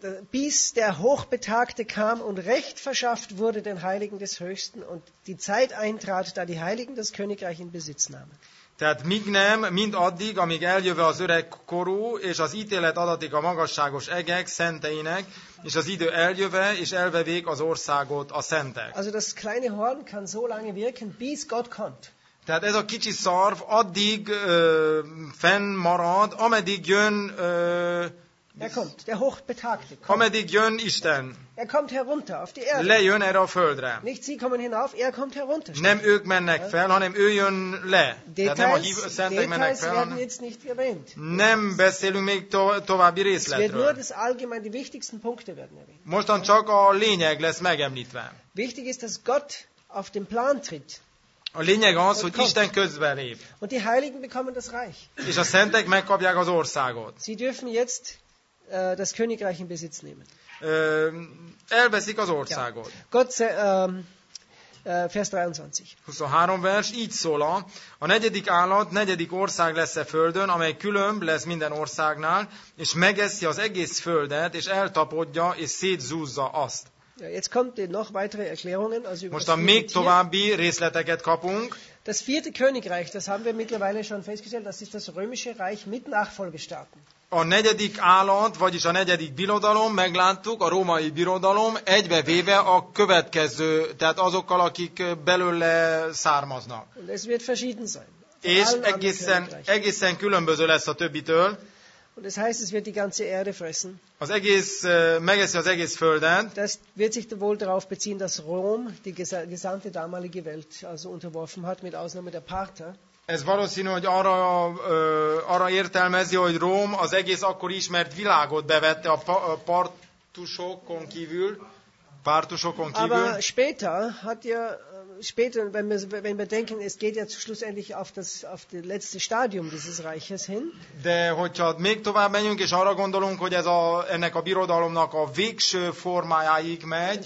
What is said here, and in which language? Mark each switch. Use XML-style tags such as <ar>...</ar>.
<de>Bis der Hochbetagte kam und Recht verschafft wurde den Heiligen des Höchsten und die Zeit eintrat, da die Heiligen das Königreich in Besitz nahmen.</de> <hu>Tehát míg nem, mind addig, amíg eljöve az öreg korú, és az ítélet adatik a magasságos egek szenteinek, és az idő eljöve, és elvevék az országot a szentek.</hu> <de>Also das kleine Horn kann so lange wirken, bis Gott kommt.</de> <hu>Tehát ez a kicsi szarv addig fennmarad, ameddig jön...</hu> <de>Er kommt, der Hochbetagte kommt.</de> <hu>Ameddig jön Isten.</hu> <de>Er kommt herunter auf die Erde.</de> <hu>Lejön erre a földre.</hu> <de>Nicht sie kommen hinauf, er kommt herunter.</de> <hu>Nem ők mennek fel, hanem ő jön le.</hu> <de>Details, details fel, werden jetzt nicht erwähnt.</de> <hu>Nem beszélünk még további részletről.</hu> <de>Es wird nur das allgemeine, die wichtigsten Punkte werden erwähnt.</de> <hu>Mostan csak a lényeg lesz megemlítve.</hu> <de>Wichtig ist, dass Gott auf den Plan tritt.</de> <hu>A lényeg az, hogy Isten közben lép.</hu> <de>Und die Heiligen bekommen das Reich.</de> <hu>És a szentek megkapják az országot.</hu> <de>Sie dürfen jetzt das Königreich in Besitz nehmen.</de> <hu>Elveszik az országot.</hu> <de>Ja. Gott, Vers 23.</de> <hu>23 vers, így szól: a negyedik állat negyedik ország lesz a földön, amely különb lesz minden országnál, és megeszi az egész földet, és eltapodja, és szétzúzza azt.</hu> <de>Ja, jetzt kommt noch weitere Erklärungen. Also</de> <hu>most a még további részleteket kapunk.</hu> <de>Das vierte Königreich, das haben wir mittlerweile schon festgestellt, das ist das römische Reich mit Nachfolgestaaten.</de> <hu>A negyedik állat, vagyis a negyedik birodalom, megláttuk, a római birodalom, egybevéve a következő, tehát azokkal, akik belőle származnak.</hu> <de>Es wird verschieden sein.</de> <hu>És egészen különböző lesz a többitől.</hu> <de>Und es heißt, es wird die ganze Erde fressen.</de> <hu>Az egész, megeszi az egész földet.</hu> <de>Das wird sich wohl darauf beziehen, dass Rom die gesamte damalige Welt also unterworfen hat, mit Ausnahme der Parther.</de> <hu>Ez valószínű, hogy arra értelmezi, hogy Róm az egész akkor ismert világot bevette a partusokon kívül.</hu> <de>Aber später hat ja später, wenn wir denken, es geht ja schlussendlich auf das letzte Stadium dieses Reiches hin.</de> <hu>De hogyha még tovább menjünk és arra gondolunk, hogy ennek a birodalomnak a végső formájáig megy.</hu>